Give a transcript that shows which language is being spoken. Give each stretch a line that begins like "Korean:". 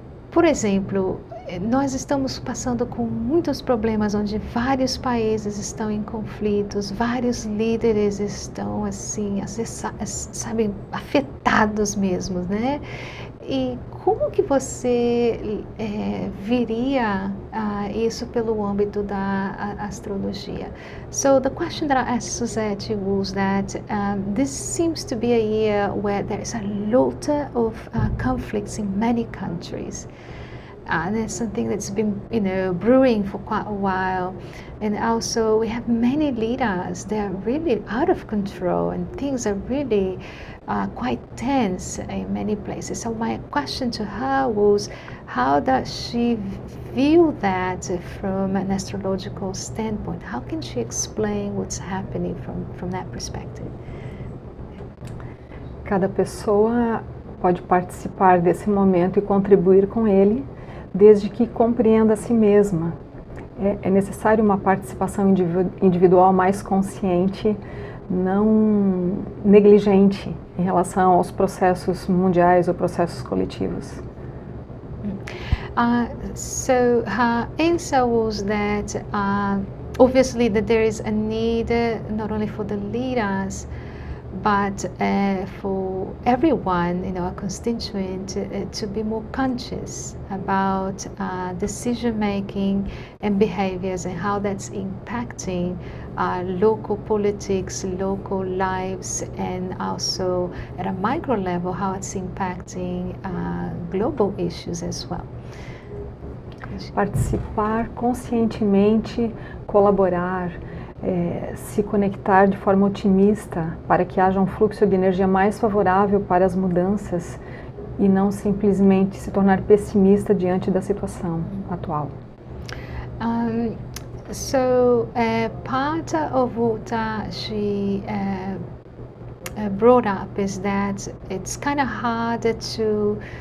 Portuguese: Por exemplo, nós estamos passando com muitos problemas onde vários países estão em conflitos, vários líderes estão assim, sabe, afetados mesmo, né? E como que você viria isso pelo âmbito da astrologia?
English: So the question that I asked Suzete was that this seems to be a year where there is a lot of conflicts in many countries. And it's something that's been, you know, brewing for quite a while. And also we have many leaders, they are really out of control and things are really quite tense in many places. So my question to her was, how does she view that from an astrological standpoint? How can she explain what's happening from that perspective?
Portuguese: Cada pessoa pode participar desse momento e contribuir com ele, desde que compreenda a si mesma. É necessário uma participação individual mais consciente, não negligente em relação aos processos mundiais ou processos coletivos.
English: So her answer was that obviously that there is a need not only for the leaders, but for everyone, you know, a constituent, to be more conscious about decision making and behaviors and how that's impacting local politics, local lives, and also at a micro level, how it's impacting global issues as well.
Portuguese: Participar conscientemente, colaborar, se conectar de forma otimista para que haja um fluxo de energia mais favorável para as mudanças e não simplesmente se tornar pessimista diante da situação atual.
English: So, part of what she brought up is that it's kind of harder to